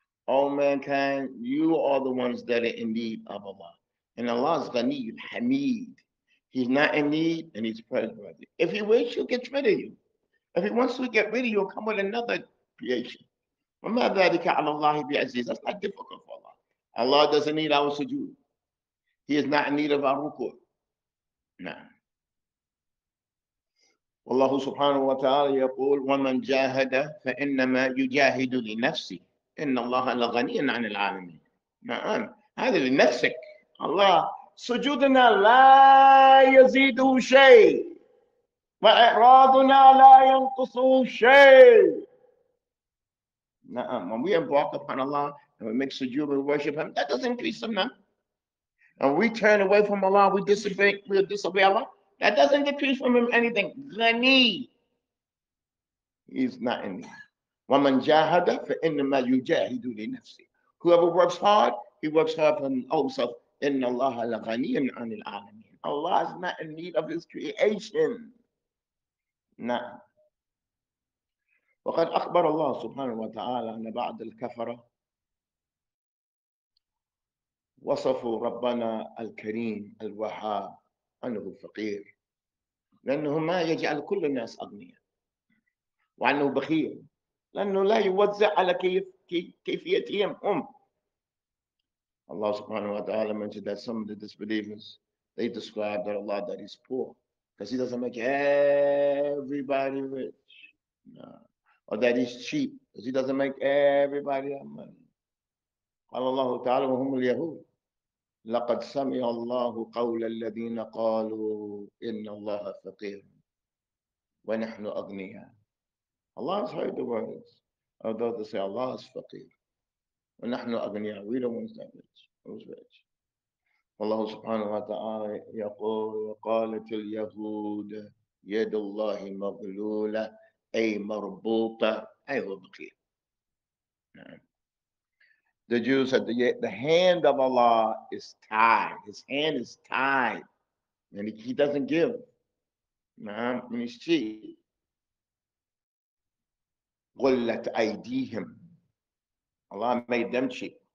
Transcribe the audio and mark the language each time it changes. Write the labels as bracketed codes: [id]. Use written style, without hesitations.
[en] All mankind, you are the ones that are in need of Allah and Allah is [ar] غني الحميد [en] He's not in need and He's praiseworthy If He wishes, He'll get rid of you If He wants to get rid of you, He'll come with another creation [ar] وما ذلك على الله بعزيز. [en] That's not difficult for Allah. Allah doesn't need our sujood. He is not in need of our ruku. [ar] نعم. والله سبحانه وتعالى يقول: ومن جاهد فإنما يجاهد لنفسه، إن الله لغني عن العالمين. نعم، هذا لنفسك. الله سجودنا لا يزيد شيء، وإعراضنا لا ينقص شيء. نعم، [en] when we invoke upon Allah and we make sujood and worship Him, that doesn't increase Him. And we turn away from Allah, we disobey Allah, that doesn't decrease from Him anything. Ghani. He's not in there. [ar] وَمَنْ جَاهَدَ فَإِنَّمَا يُجَاهِدُ لِنَفْسِهِ. [en] Whoever works hard, he works hard for himself. [ar] إِنَّ اللَّهَ لَغَنِيٌّ عَنِ الْعَالَمِينَ. [en] Allah is not in need of His creation. [ar] نعم. وقد أخبر الله سبحانه وتعالى أن بعض الكفرة وصفوا ربنا الكريم الوهاب أنه فقير، لأنه ما يجعل كل الناس أغنياء، وأنه بخيل لأنه لا يوزع على كيفيتهم هم. الله سبحانه وتعالى [en] mentioned that some of the disbelievers, they described that Allah that is poor because He doesn't make everybody rich. No. Or that he's cheap, because he doesn't make everybody have money. [ar] قال الله تعالى وهم اليهود لقد سمع الله قول الذين قالوا إن الله فقير ونحن أغنياء. [en] Allah has heard the words of those that say Allah is [ar] فقير ونحن أغنياء. [en] We don't want that rich. Who's rich? [ar] والله سبحانه وتعالى يقول وقالت اليهود يد الله مغلولة أي مربوطة أي هو بخير. [en] The Jews said the hand of Allah is tied. His hand is tied. And he doesn't give. And he's cheap. [ar] غلت أيديهم. [en] Allah made them cheap.